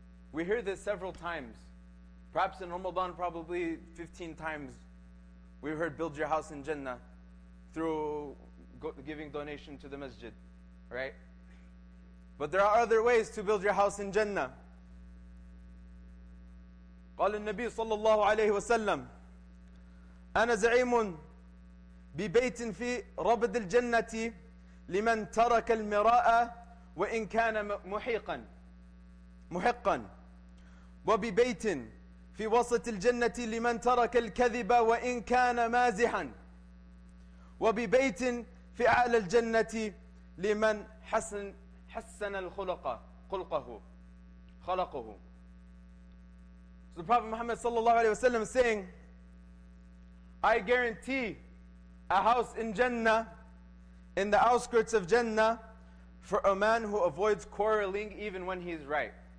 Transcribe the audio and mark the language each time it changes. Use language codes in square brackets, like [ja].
[en] We hear this several times. Perhaps in Ramadan, probably 15 times, we heard build your house in Jannah through giving donation to the masjid, right? But there are other ways to build your house in Jannah. [ar] قال النبي صلى الله عليه وسلم أنا زعيم ببيت في ربض الجنة لمن ترك المراء وإن كان محيقا محقا وببيت في وسط الجنة لمن ترك الكذب وإن كان مازحا وببيت في أعلى الجنة لمن حسن الخلق خلقه خلقه. [en] So the Prophet Muhammad sallallahu alayhi wasallam is saying, I guarantee a house in Jannah, in the outskirts of Jannah, for a man who avoids quarreling even when he's right.